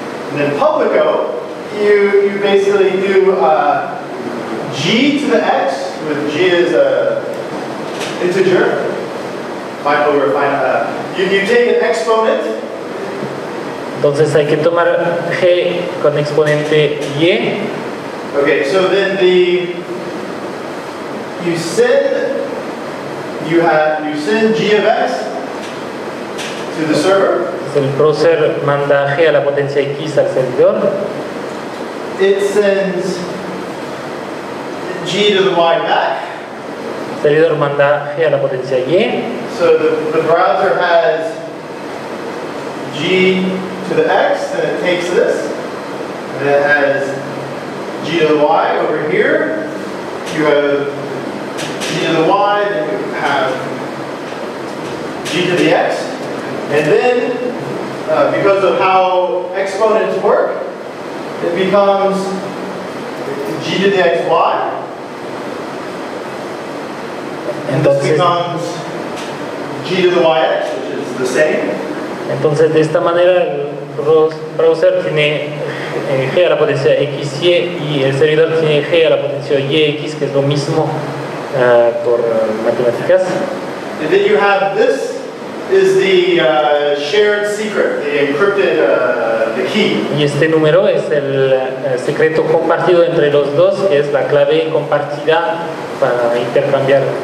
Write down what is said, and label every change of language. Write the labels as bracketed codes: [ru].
[en] And then publico, you basically do G to the X, with G as an integer. You take an exponent. [es] Entonces hay que tomar g con exponente y. [en] Okay, so then the you send g of x to the server. [es] El browser manda g a la potencia x al servidor. [en] It sends g to the y back. [es] El servidor manda g a la potencia y. [en] So the browser has g to the x, and it takes this, and it has g to the y over here. You have g to the y, then you have g to the x, and then because of how exponents work, it becomes g to the x y, and this becomes g to the y x, which is the same. [es] Entonces, de esta manera, el browser tiene g a la potencia x, y, y el servidor tiene g a la potencia y, x, que es lo mismo por matemáticas. [en] And then you have this is the shared secret, the encrypted the key. [es] Y este número es el secreto compartido entre los dos, que es la clave compartida para intercambiar.